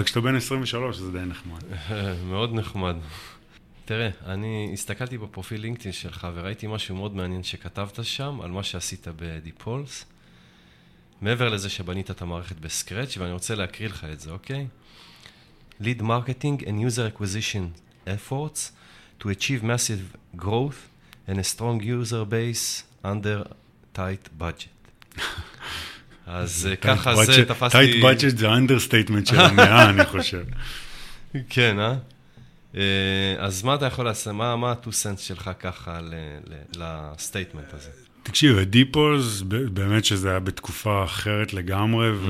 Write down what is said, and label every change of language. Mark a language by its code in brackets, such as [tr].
[he] אבל כשאתה בן 23, זה די נחמד. מאוד נחמד. תראה, אני הסתכלתי בפרופיל לינקדאין שלך, וראיתי משהו מאוד מעניין שכתבת שם, על מה שעשית בדיפולס. מעבר לזה שבנית את המערכת בסקרץ', ואני רוצה להקריא לך את זה, אוקיי? [en] Lead marketing and user acquisition efforts to achieve massive growth and a strong user base under tight budget. [he] אז ככה זה תפסתי... Tight budget זה understatement של המאה, אני חושב. כן, אה? אז מה אתה יכול לעשות? מה ה-2 cents שלך ככה לסטייטמנט הזה? תקשיב, הדיפולס, באמת שזה היה בתקופה אחרת לגמרי,